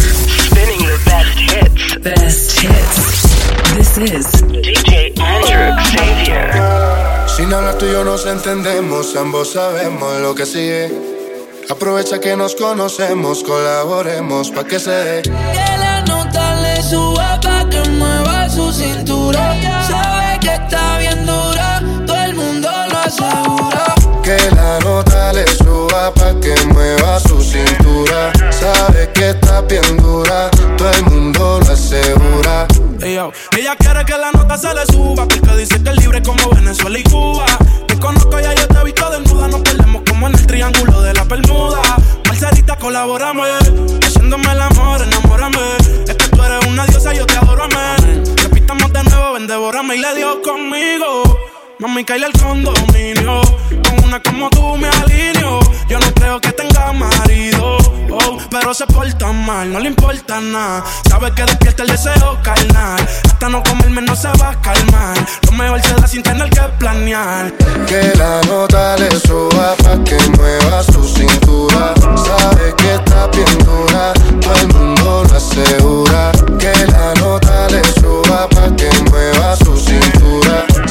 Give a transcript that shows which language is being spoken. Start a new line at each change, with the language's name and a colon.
English: Spinning the best hits. This is DJ Andrew Xavier.
Spanish: Sin hablar tú y yo nos entendemos, ambos sabemos lo que sigue. Aprovecha que nos conocemos, colaboremos pa' que se dé. Que la nota le suba pa' que mueva su cintura. Sabe que está bien dura, todo el mundo lo asegura. Que la nota le suba pa' que mueva su cintura. Sabe que está bien dura, todo el mundo lo asegura. Ella quiere que la nota se le suba, porque dice que es libre como Venezuela y Cuba. Te conozco y yo te he visto desnuda. Nos perdemos como en el triángulo de la Bermuda. Parcerita, colaborame. Haciéndome el amor, enamórame. Es que tú eres una diosa, yo te adoro, amén. Repitamos de nuevo, ven, devórame. Y le dio conmigo. Mami, caile el condominio. Con una como tú me alineo. Yo no creo que tenga marido. Oh, pero se porta mal, no le importa nada. Sabe que despierta el deseo carnal. Hasta no comerme no se va a calmar. Lo mejor se da sin tener que planear. Que la nota le suba pa' que mueva su cintura. Sabe que está bien dura, todo el mundo lo asegura. Que la nota le suba pa' que mueva su cintura.